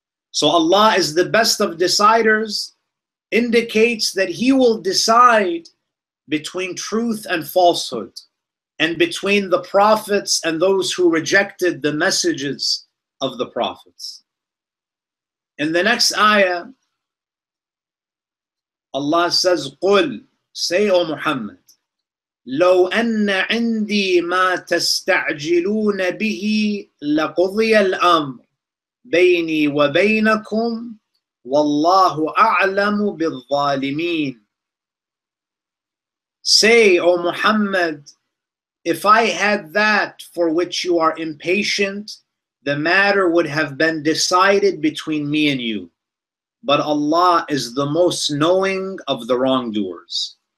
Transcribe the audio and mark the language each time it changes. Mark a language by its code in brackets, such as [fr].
[en] So Allah is the best of deciders. Indicates that He will decide between truth and falsehood and between the prophets and those who rejected the messages of the prophets. In the next ayah, Allah says, [ar] قُلْ, [en] say, O Muhammad, [ar] لَوْ أَنَّ عِنْدِي مَا تَسْتَعْجِلُونَ بِهِ لَقُضِيَ الْأَمْرِ بَيْنِي وَبَيْنَكُمْ وَاللَّهُ أَعْلَمُ بِالظَّالِمِينَ. [en] Say, O Muhammad, if I had that for which you are impatient, the matter would have been decided between me and you. But Allah is the most knowing of the wrongdoers.